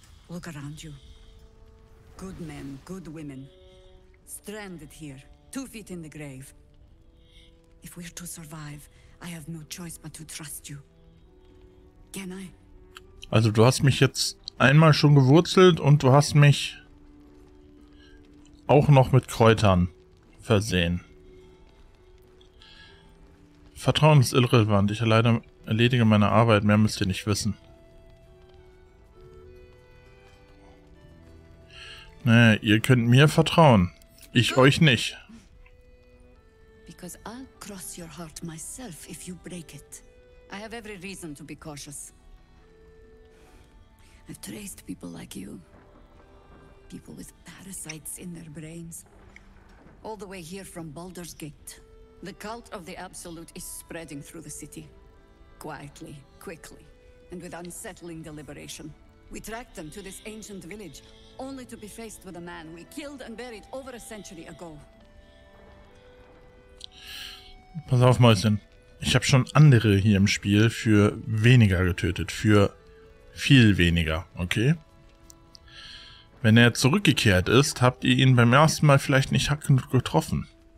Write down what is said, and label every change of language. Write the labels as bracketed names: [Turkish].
[English] Look around you. Good men, good women. Stranded here, 2 feet in the grave. If we're to survive, I have no choice but to trust you. Can I? [German] Also du hast mich jetzt einmal schon gewurzelt und du hast mich auch noch mit Kräutern versehen. Vertrauen ist irrelevant. Ich erledige meine Arbeit. Mehr müsst ihr nicht wissen. Naja, ihr könnt mir vertrauen. Ich euch nicht. [English] Because I'll cross your heart myself if you break it. I have every reason to be cautious. I've traced people like you. People with parasites in their brains. All the way here from Baldur's Gate. The cult of the Absolute is spreading through the city. Quietly, quickly, and with unsettling deliberation. We tracked them to this ancient village, only to be faced with a man we killed and buried over a century ago. [German] Pass auf, Mäuschen. Ich habe schon andere hier im Spiel für weniger getötet, für viel weniger, okay? Wenn er zurückgekehrt ist, habt ihr ihn beim ersten Mal vielleicht nicht hart genug getroffen.